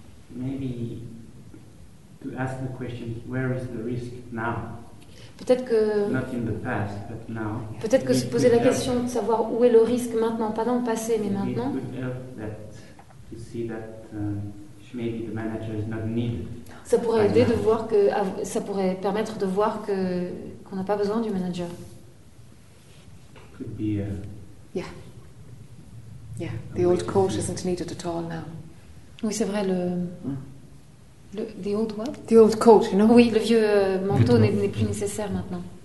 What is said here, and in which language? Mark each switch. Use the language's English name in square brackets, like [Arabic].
[English] Maybe to ask the question, where is the risk now? [French] Peut-être que [English] not in the past, but now. [French] Peut-être que se poser la question de savoir où est le risque maintenant, pas dans le passé, mais maintenant. [English] It could help that to see that maybe the manager is not needed. [French] Ça pourrait aider de voir que ça pourrait permettre de voir que qu'on n'a pas besoin du manager. [English] Could be. Yeah. The old coach isn't needed at all now. [French] Oui, c'est vrai le. [English] The old what? The old coat, you know? [French] Oui, le vieux manteau n'est plus nécessaire maintenant.